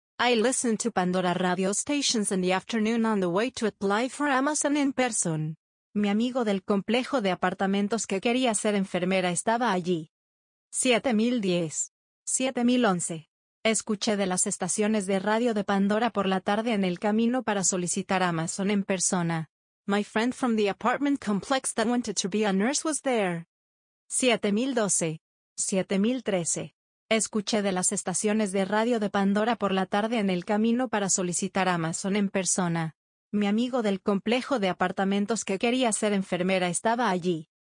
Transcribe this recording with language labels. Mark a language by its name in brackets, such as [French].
[English] I listen to Pandora radio stations in the afternoon on the way to apply for Amazon in person. [Spanish] Mi amigo del complejo de apartamentos que quería ser enfermera estaba allí. 7010. 7011. Escuché de las estaciones de radio de Pandora por la tarde en el camino para solicitar Amazon en persona. [English] My friend from the apartment complex that wanted to be a nurse was there. 7012. 7013. [Spanish] Escuché de las estaciones de radio de Pandora por la tarde en el camino para solicitar Amazon en persona. Mi amigo del complejo de apartamentos que quería ser enfermera estaba allí.